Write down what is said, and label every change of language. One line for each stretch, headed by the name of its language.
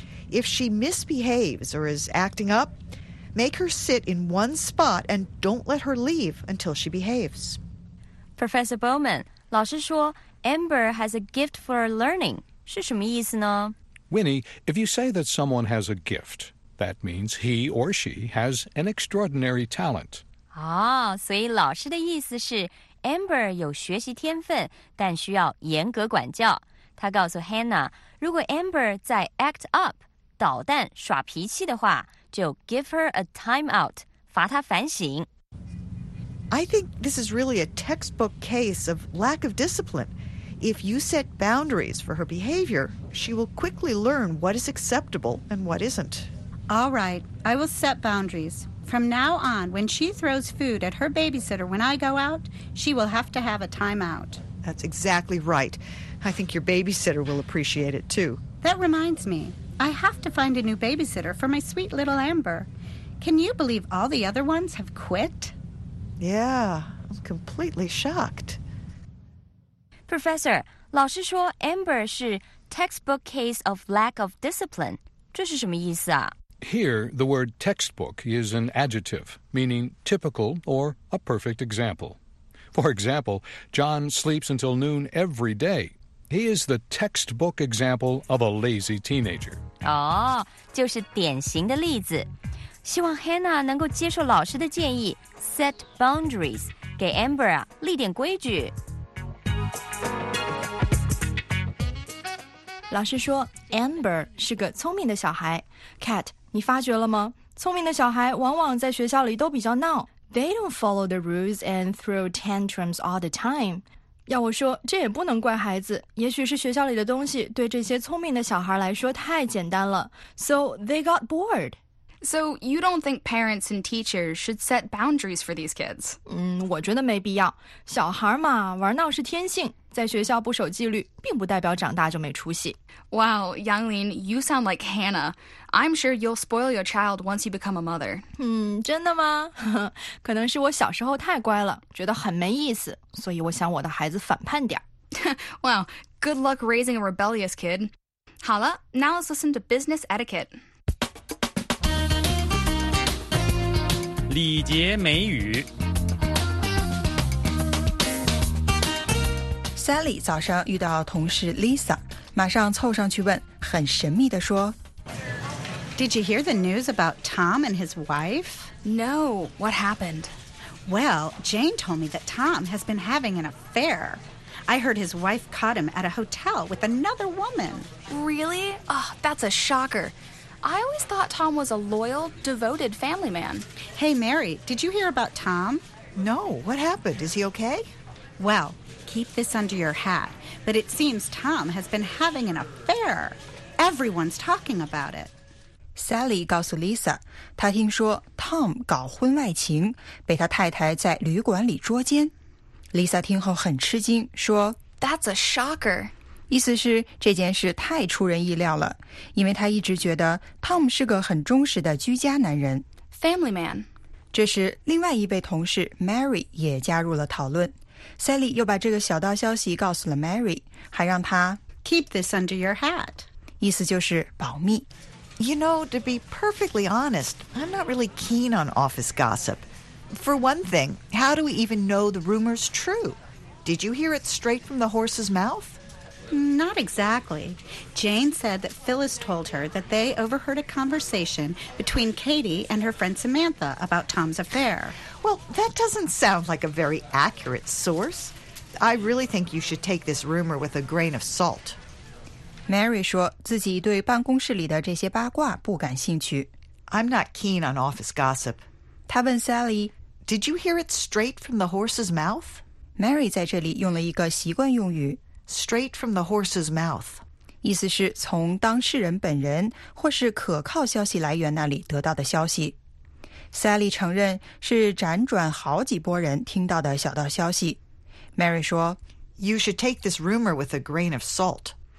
English: If she misbehaves or is acting up, make her sit in one spot and don't let her leave until she behaves.
Chinese: Professor Bowman, 老师说 Amber
English: has a gift for learning,
Chinese: 是什么意思呢？
English: Winnie, if you say that someone has a gift... That means he or she has an extraordinary talent.
Chinese: 所以老师的意思是 Amber 有学习天分，但需要严格管教。他告诉 Hannah， 如果 Amber 在
English: act up
Chinese: 捣蛋耍脾气的话，就
English: give her a time out，
Chinese: 罚她反省。
English: I think this is really a textbook case of lack of discipline. If you set boundaries for her behavior, she will quickly learn what is acceptable and what isn't. All right, I will set boundaries. From now on, when she throws food at her babysitter when I go out, she will have to have a time out. That's exactly right. I think your babysitter will appreciate it too. That reminds me, I have to find a new babysitter for my sweet little Amber. Can you believe all the other ones have quit? Yeah, I'm completely shocked.
Chinese: Professor, 老师说 Amber 是
English: textbook case of lack of discipline.
Chinese: 这是什么意思啊?
English: Here, the word textbook is an adjective, meaning typical or a perfect example. For example, John sleeps until noon every day. He is the textbook example of a lazy teenager.
Chinese: 就是典型的例子。希望 Hannah 能够接受老师的建议 ，
English: set boundaries，
Chinese: 给 Amber 啊立点规矩。老师说 ，Amber 是个聪明的小孩。Cat， 你发觉了吗？聪明的小孩往往在学校里都比较闹。
English: They don't follow the rules and throw tantrums all the time。
Chinese: 要我说，这也不能怪孩子。也许是学校里的东西对这些聪明的小孩来说太简单了 ，
English: so they got bored。 So you don't think parents and teachers should set boundaries for these kids?
Chinese: 我觉得没必要。小孩嘛，玩闹是天性，在学校不守纪律，并不代表长大就没出息。
English: Wow, Yanglin, you sound like Hannah. I'm sure you'll spoil your child once you become a mother.
Chinese: 真的吗？可能是我小时候太乖了，觉得很没意思，所以我想我的孩子反叛点。
English: Wow, good luck raising a rebellious kid.
Chinese: 好了
English: now let's listen to business etiquette.
Chinese: 礼节美语 Sally 早上遇到同事 Lisa 马上凑上去问很神秘地说
English: Did you hear the news about Tom and his wife? No, what happened? Well, Jane told me that Tom has been having an affair. I heard his wife caught him at a hotel with another woman. Really? Oh, that's a shocker. I always thought Tom was a loyal, devoted family man. Hey, Mary, did you hear about Tom? No, what happened? Is he okay? Well, keep this under your hat, but it seems Tom has been having an affair. Everyone's talking about it.
Chinese: Sally 告诉 Lisa, 她听说 Tom 搞婚外情,被她太太在旅馆里捉奸。 Lisa 听后很吃惊,说
English: That's a shocker.
Chinese: 意思是这件事太出人意料了，因为他一直觉得 Tom 是个很忠实的居家男人
English: ，Family man。
Chinese: 这时，另外一位同事 Mary 也加入了讨论。 Sally 又把这个小道消息告诉了 Mary， 还让她
English: keep this under your hat，
Chinese: 意思就是保密。
English: You know, to be perfectly honest, I'm not really keen on office gossip. For one thing, how do we even know the rumor's true? Did you hear it straight from the horse's mouth? Not exactly. Jane said that Phyllis told her that they overheard a conversation between Katie and her friend Samantha about Tom's affair. Well, that doesn't sound like a very accurate source. I really think you should take this rumor with a grain of salt.
Chinese: Mary 说自己对办公室里的这些八卦不感兴趣。
English: I'm not keen on office gossip.
Chinese: 她问 Sally,
English: Did you hear it straight from the horse's mouth?
Chinese: Mary 在这里用了一个习惯用语。
English: Straight from the horse's mouth.
Chinese: 意思是从当事人本人或是可靠消息来源那里得到的消息。 Sally 承认是辗转好几波人听到的小道消息。 Mary 说
English: You should take this rumor with a grain of salt.